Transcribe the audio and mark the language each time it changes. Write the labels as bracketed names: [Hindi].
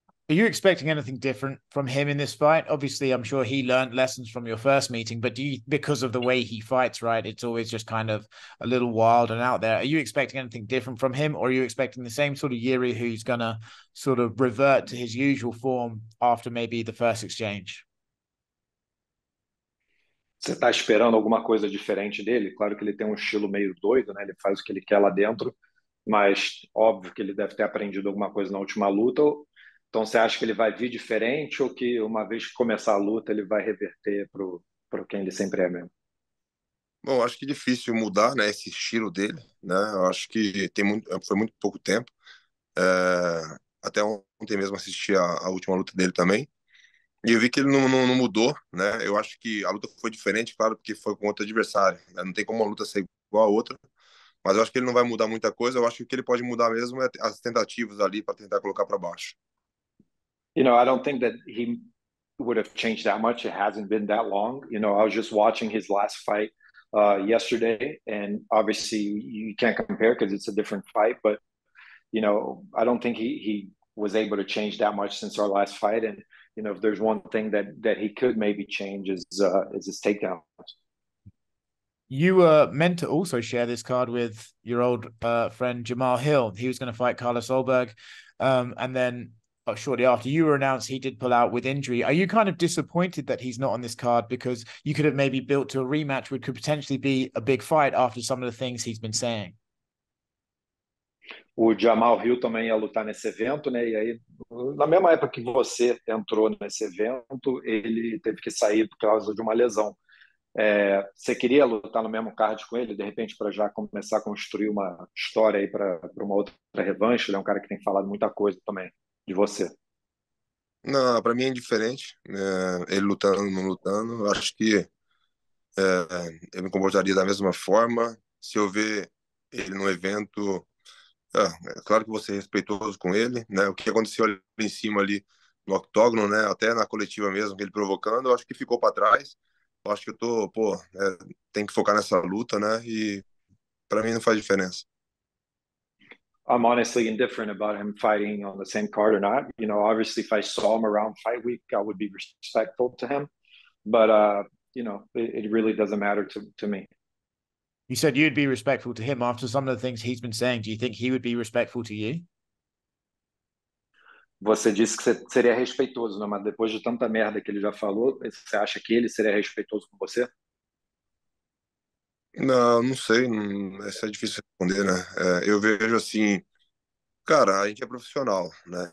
[English] Are you expecting anything different from him in this fight? Obviously, I'm sure he learned lessons from your first meeting, but do you, because of the way he fights, right? It's always just kind of a little wild and out there. Are you expecting anything different from him, or are you expecting the same sort of Jiří who's gonna sort of revert to his usual form after maybe the first exchange? [Portuguese] Você está esperando alguma coisa diferente dele? Claro que ele tem um estilo meio doido, né? Ele faz o que ele quer lá dentro, mas óbvio que ele deve ter aprendido alguma coisa na última luta. Então você acha que ele vai vir diferente ou que uma vez que começar a luta ele vai reverter para quem ele sempre é mesmo? Bom, acho que é difícil mudar, né, esse estilo dele, né? Eu acho que foi muito pouco tempo. Até ontem mesmo assisti a última luta dele também. E eu vi que ele não mudou, né? Eu acho que a luta foi diferente, claro, porque foi com outro adversário, né? Não tem como uma luta ser igual a outra. Mas eu acho que ele não vai mudar muita coisa. Eu acho que o que ele pode mudar mesmo é as tentativas ali para tentar colocar para baixo. [English] You know, I don't think that he would have changed that much. It hasn't been that long. You know, I was just watching his last fight yesterday, and obviously you can't compare because it's a different fight. But you know, I don't think he was able to change that much since our last fight. And you know, if there's one thing that he could maybe change is his takedowns. You were meant to also share this card with your old friend Jamal Hill. He was going to fight Carlos Olberg, and then shortly after you were announced, he did pull out with injury. Are you kind of disappointed that he's not on this card because you could have maybe built to a rematch, which could potentially be a big fight after some of the things he's been saying? [Portuguese] O Jamal Hill também ia lutar nesse evento, né? E aí, na mesma época que você entrou nesse evento, ele teve que sair por causa de uma lesão. É, você queria lutar no mesmo card com ele, de repente, para já começar a construir uma história aí para uma outra revanche? Ele é um cara que tem falado muita coisa também de você. Não, para mim é indiferente, ele lutando ou não lutando. Acho que eu me comportaria da mesma forma. Se eu ver ele no evento, é claro que vou ser respeitoso com ele, né? O que aconteceu ali em cima ali no octógono, né? Até na coletiva mesmo, ele provocando, eu acho que ficou para trás. Eu acho que eu tô, pô, tem que focar nessa luta, né? E para mim não faz diferença. [English] I'm honestly indifferent about him fighting on the same card or not. You know, obviously, if I saw him around fight week, I would be respectful to him. But, you know, it really doesn't matter to me. You said you'd be respectful to him after some of the things he's been saying. Do you think he would be respectful to you? [Portuguese] Você disse que você seria respeitoso, né? Mas depois de tanta merda que ele já falou, você acha que ele seria respeitoso com você? Não, não sei. Isso é difícil responder, né? Eu vejo assim, cara, a gente é profissional, né?